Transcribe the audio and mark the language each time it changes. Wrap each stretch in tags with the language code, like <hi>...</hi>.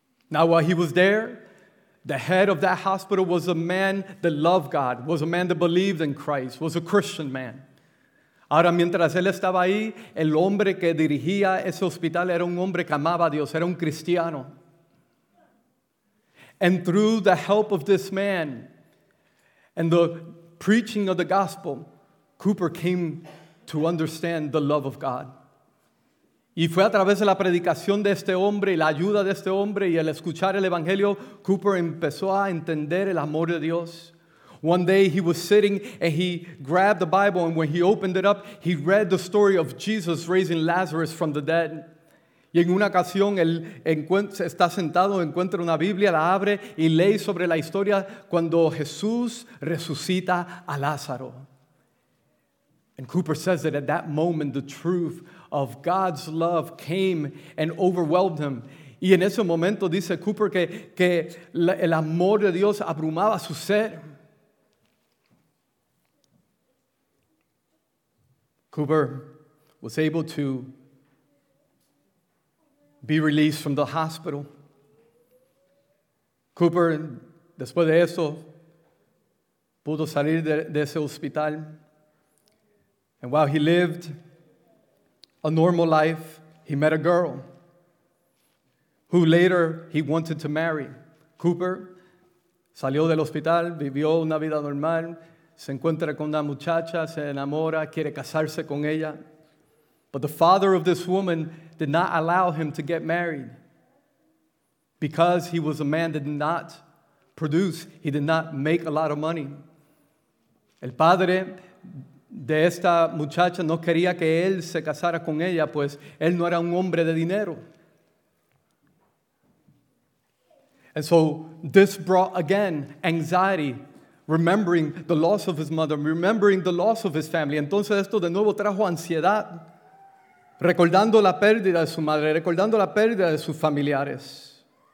<en>Now, while he was there, the head of that hospital was a man that loved God, was a man that believed in Christ, was a Christian man.</en> <es>Ahora, mientras él estaba ahí, el hombre que dirigía ese hospital era un hombre que amaba a Dios, era un cristiano.</es> <en>And through the help of this man and the preaching of the gospel, Cooper came to understand the love of God.</en> <es>Y fue a través de la predicación de este hombre y la ayuda de este hombre y el escuchar el evangelio, Cooper empezó a entender el amor de Dios.</es> <en>One day he was sitting and he grabbed the Bible, and when he opened it up, he read the story of Jesus raising Lazarus from the dead.</en> <es>Y en una ocasión, él está sentado, encuentra una Biblia, la abre y lee sobre la historia cuando Jesús resucita a Lázaro.</es> <en>And Cooper says that at that moment, the truth of God's love came and overwhelmed him.</en> <es>Y en ese momento, dice Cooper, que el amor de Dios abrumaba su ser.</es> <en>Cooper was able to be released from the hospital.</en> <es>Cooper, después de eso, pudo salir de ese hospital.</es> <en>And while he lived a normal life, he met a girl who later he wanted to marry.</en> <es>Cooper salió del hospital, vivió una vida normal, se encuentra con una muchacha, se enamora, quiere casarse con ella.</es> <en>But the father of this woman did not allow him to get married because he was a man that did not produce, he did not make a lot of money.</en> <es>El padre de esta muchacha no quería que él se casara con ella, pues él no era un hombre de dinero.</es> <en>And so this brought again anxiety, remembering the loss of his mother, remembering the loss of his family.</en> <es>Entonces esto de nuevo trajo ansiedad. recordando la pérdida de su madre, recordando la pérdida de sus familiares.</es>